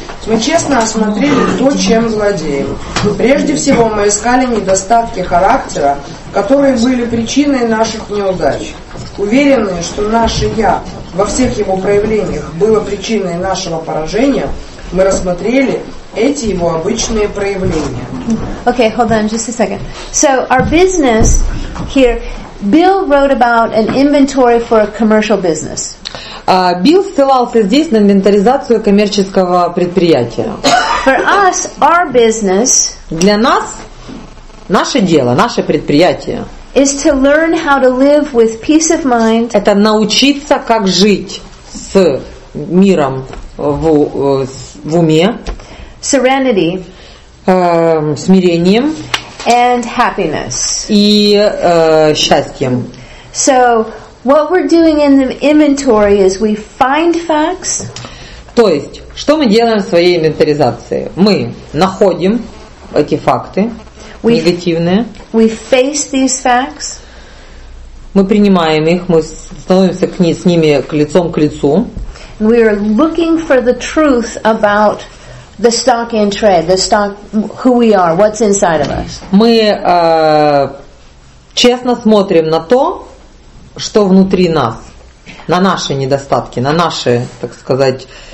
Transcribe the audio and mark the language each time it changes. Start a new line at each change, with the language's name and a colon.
Russian: Мы честно осмотрели то, чем владеем. Прежде всего, мы искали недостатки характера, которые были причиной наших неудач. Уверенные, что наше «я» во всех его проявлениях было причиной нашего поражения, мы рассмотрели эти его обычные проявления.
English: Okay, hold on just a second. So our business here, Bill wrote about an inventory for a commercial business.
Russian: Bill ссылался здесь на инвентаризацию коммерческого предприятия.
English: For us, our business.
Russian: Для нас наше дело, наше предприятие.
English: Is to learn how to live with peace of mind.
Russian: Это научиться как жить с миром в уме.
English: Serenity.
Russian: Смирением.
English: And happiness.
Russian: И счастьем.
English: So what we're doing in the inventory is we find facts.
Russian: То есть, что мы делаем в своей инвентаризации? Мы находим эти факты негативные.
English: We face these facts.
Russian: Мы принимаем их, мы становимся с ними лицом к лицу.
English: And we are looking for the truth about the stock in trade, the stock, who we are, what's inside of us.
Russian: Мы честно смотрим на то, что внутри нас, на наши недостатки, на наши, так сказать,